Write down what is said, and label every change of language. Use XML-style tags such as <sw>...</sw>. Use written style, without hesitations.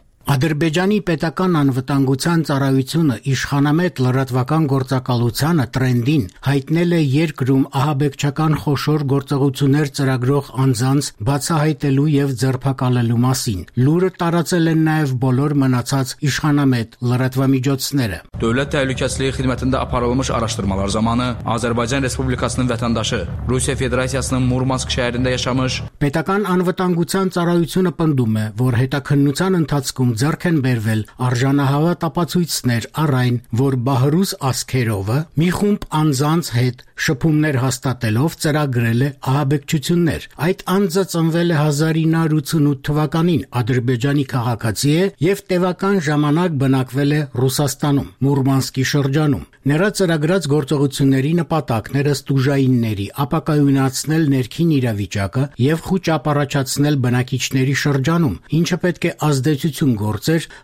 <hy>Ադրբեջանի պետական անվտանգության ծառայությունը իշխանամետ լրատվական գործակալությանը տրենդին հայտնել է երկրում ահաբեկչական խոշոր գործողություններ ծրագրող անձանց բացահայտելու և ձերբակալելու մասին։ Լուրը տարածել են նաև բոլոր մնացած իշխանամետ լրատվամիջոցները։</hy> <az>Դولت Təhlükəsizlik Xidmətində aparılmış araşdırmalar zamanı Azərbaycan Respublikasının vətəndaşı, Rusiya Federasiyasının Murmansk şəhərində yaşamış</az> <hy>Պետական անվտանգության ծառայությունը պնդում է, որ հետաքննության ընթացքում ձեռք են բերվել արժանահավատ ապացույցներ առ այն, որ Բահրուս Ասքերովը մի խումբ անձանց հետ շփումներ հաստատելով ծրագրել է ահաբեկչություններ։ Այդ անձը ծնվել է 1988 թվականին, ադրբեջանի քաղաքացի է և տևական ժամանակ բնակվել է Ռուսաստանում, Մուրմանսկի շրջանում։ Նրա ծրագրած գործողությունների նպատակները ստուժայինների ապակայունացնել ներքին իրավիճակը և խուճ առաջացնել բնակիչների շրջանում, ինչը պետք է ազդեցություն գործեր</hy>